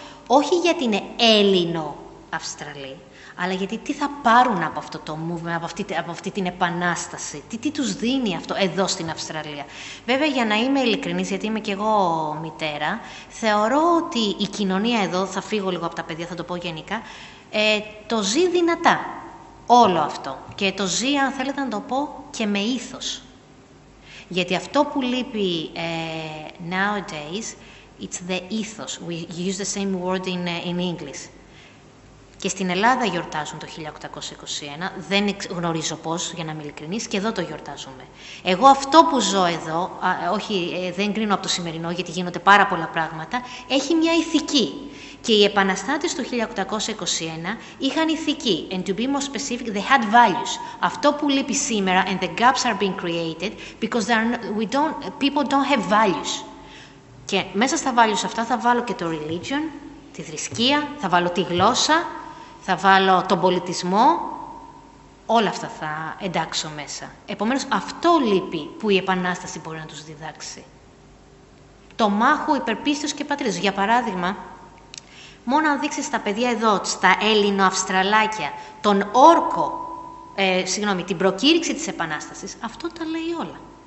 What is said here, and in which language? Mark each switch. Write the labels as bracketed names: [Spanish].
[Greek] Όχι γιατί είναι Έλληνο-Αυστραλοί, αλλά γιατί τι θα πάρουν από αυτό το movement, από αυτή την Επανάσταση, τι τους δίνει αυτό εδώ στην Αυστραλία. Βέβαια, για να είμαι ειλικρινής, γιατί είμαι και εγώ μητέρα, θεωρώ ότι η κοινωνία εδώ, θα φύγω λίγο από τα παιδιά, θα το πω γενικά, το ζει δυνατά. Όλο αυτό. Και το ζει, αν θέλετε να το πω, και με ήθος. Γιατί αυτό που λείπει nowadays, it's the ethos. [English] We use the same word in English. [Greek] Και στην Ελλάδα γιορτάζουν το 1821, δεν γνωρίζω πώς, για να είμαι ειλικρινής, και εδώ το γιορτάζουμε. Εγώ αυτό που ζω εδώ, δεν κρίνω από το σημερινό, γιατί γίνονται πάρα πολλά πράγματα, έχει μια ηθική. Και οι επαναστάτες του 1821 είχαν ηθική. [English] And to be more specific, they had values. [Greek] Αυτό που λείπει σήμερα, [English] and the gaps are being created, because people don't have values. [Greek] Και μέσα στα values αυτά θα βάλω και το religion, τη θρησκεία, θα βάλω τη γλώσσα, θα βάλω τον πολιτισμό, όλα αυτά θα εντάξω μέσα. Επομένως, αυτό λείπει που η Επανάσταση μπορεί να τους διδάξει. Το μάχου υπερπίστεως και πατρίδος. Για παράδειγμα, μόνο αν δείξεις στα παιδιά εδώ, στα Έλληνο-Αυστραλάκια, τον όρκο, την προκήρυξη της Επανάστασης, αυτό τα λέει όλα.